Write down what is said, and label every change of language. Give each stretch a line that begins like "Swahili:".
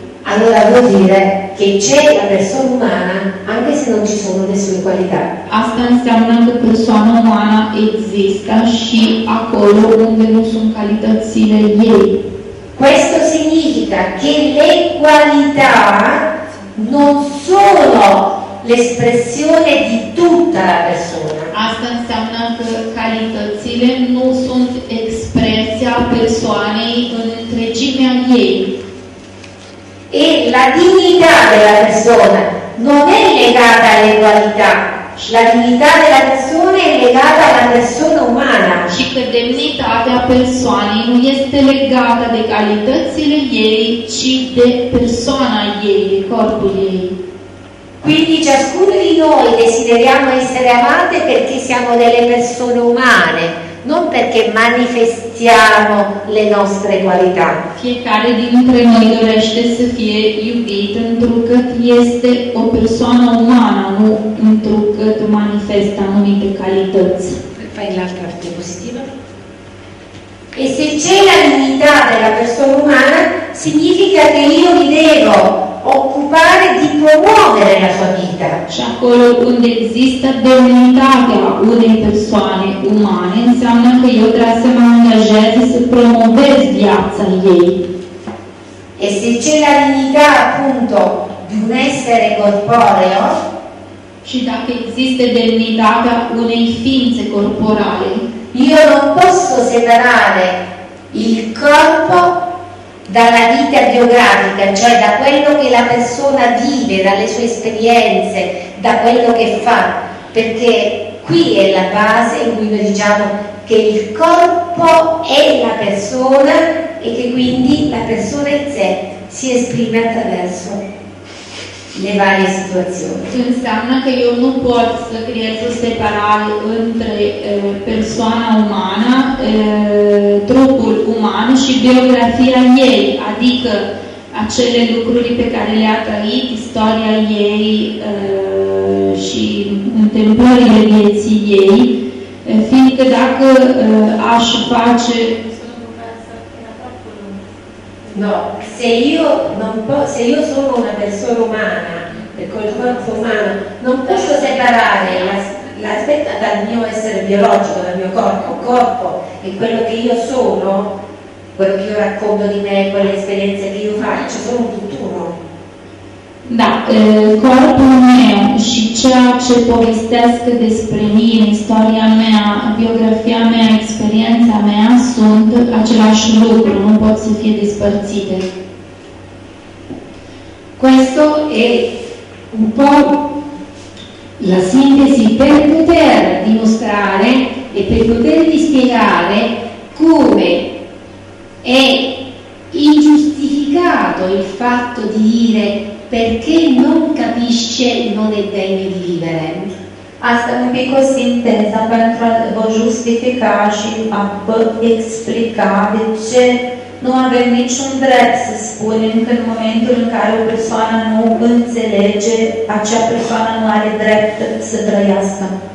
Italian: Allora vuol dire che c'è la persona umana anche se non ci sono le sue qualità.
Romanian: Asta înseamnă că persoana umană există și acolo unde nu sunt calitățile ei.
Italian: Questo significa che le qualità non sono l'espressione di tutta la persona.
Romanian: Asta înseamnă că calitățile nu sunt expresia persoanei în întregimea ei.
Italian: E la dignità della persona non è legata alle qualità. La dignità della persona è legata alla persona umana.
Romanian: Și că demnitatea persoanei nu este legată de calitățile ei, ci de persoana ei, de corpul ei.
Italian: Quindi ciascuno di noi desideriamo essere amate perché siamo delle persone umane, non perché manifestiamo le nostre qualità.
Romanian: Fiecare dintre noi dorește să fie iubit întrucât este o persoană umană, nu întrucât manifestă anumite calități.
Italian: Fai l'altra diapositiva. E se c'è la dignità della persona umana, significa che io mi devo occupare di promuovere la sua vita.
Romanian: Cioè, acolo unde esista demnitatea unei persoane umane, înseamnă că eu trebuie să mă angajez să promovez viața ei.
Italian: E se c'è la dignità, appunto, di un essere corporeo,
Romanian: și dacă există demnitatea unei ființe corporale,
Italian: io non posso separare il corpo dalla vita biografica, cioè da quello che la persona vive, dalle sue esperienze, da quello che fa, perché qui è la base in cui noi diciamo che il corpo è la persona e che quindi la persona in sé si esprime attraverso le varie situazioni. Ciò significa che io non posso creare separare tra persona umana,
Romanian: trupul uman și biografia ei, adică acele lucruri pe care le-a trăit, istoria ei și întâmplările vieții ei, fiindcă dacă aș face...
Italian: No, se io non posso, se io sono una persona umana, col corpo umano, non posso separare l'aspetto dal mio essere biologico, dal mio corpo, corpo è quello che io sono, quello che io racconto di me, quelle esperienze che io faccio, sono tutt'uno.
Romanian: Da, corpul meu și ceea ce povestesc despre mine, istoria mea, biografia mea, experiența mea, sunt același lucru, nu pot să fie despărțite.
Italian: Questo è un po' la sintesi per poter dimostrare e per potervi spiegare come è ingiustificato il fatto di dire perché non capisce e non è degno di vivere.
Romanian: Asta un pic o sinteză pentru a vă justifica și a vă explica de ce nu avem niciun drept să spunem că în momentul în care o persoană nu înțelege, acea persoană nu are drept să trăiască.